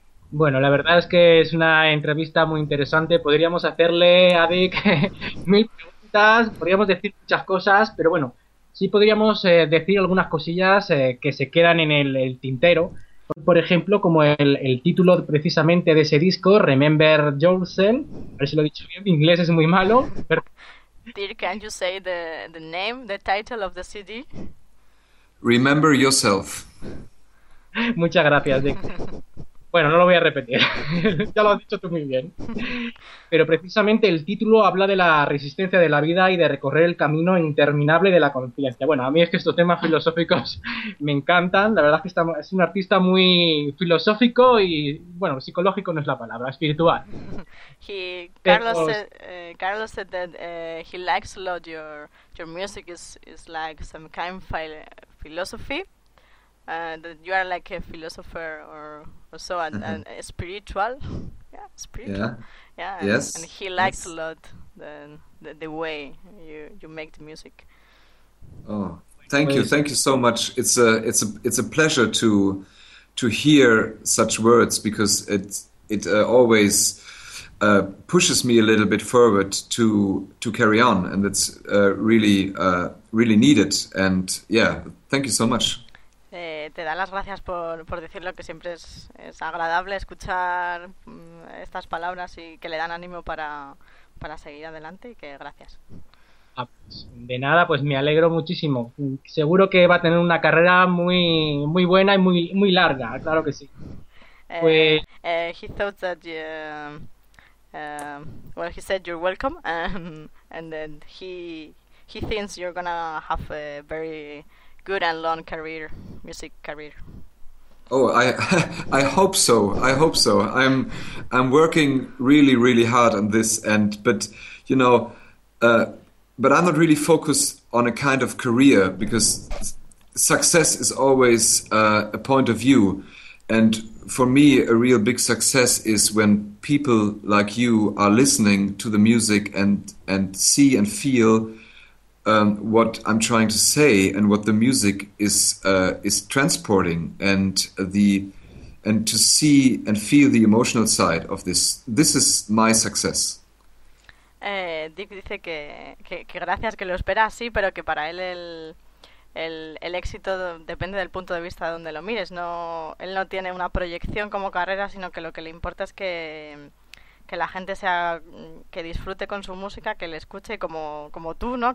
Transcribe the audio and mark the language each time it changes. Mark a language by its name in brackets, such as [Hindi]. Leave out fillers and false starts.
[Spanish] Bueno, la verdad es que es una entrevista muy interesante. Podríamos hacerle a Vic mil preguntas, podríamos decir muchas cosas, pero bueno, sí podríamos decir algunas cosillas que se quedan en el tintero. Por ejemplo, como el título precisamente de ese disco, Remember Yourself, a ver si lo he dicho bien, mi inglés es muy malo, pero... [English] Can you say the name, the title of the CD? Yourself. [Spanish] Muchas gracias, Vic. Bueno, no lo voy a repetir, ya lo has dicho tú muy bien. Pero precisamente el título habla de la resistencia de la vida y de recorrer el camino interminable de la conciencia. Bueno, a mí es que estos temas filosóficos me encantan. La verdad es que es un artista muy filosófico y, bueno, psicológico no es la palabra, espiritual. [English] He Carlos [Spanish] Pero... [English] said Carlos said that he likes a lot your music is like some kind of philosophy, that you are like a philosopher or so, and spiritual. Yeah, spiritual. Yeah, and he likes a lot the way you make the music. Oh, Pues thank you so much. It's a pleasure to hear such words because it always pushes me a little bit forward to carry on, and it's really needed. And yeah, thank you so much. [Spanish] Te da las gracias por decirlo, que siempre es agradable escuchar estas palabras y que le dan ánimo para seguir adelante, y que gracias. De nada, pues me alegro muchísimo. Seguro que va a tener una carrera muy muy buena y muy muy larga, claro que sí. Pues [English] Thought that well, he said you're welcome, and then he thinks you're gonna have a very good and long career, music career. oh, I hope so. I hope so. I'm working really hard on this end, but I'm not really focused on a kind of career because success is always a point of view. And for me, a real big success is when people like you are listening to the music and see and feel what I'm trying to say and what the music is transporting and to see and feel the emotional side of this. This is my success. [Spanish] Dick dice que gracias, que lo espera así, pero que para él el éxito depende del punto de vista de donde lo mires. No, él no tiene una proyección como carrera, sino que lo que le importa es que la gente que disfrute con su música, que le escuche como tú, ¿no?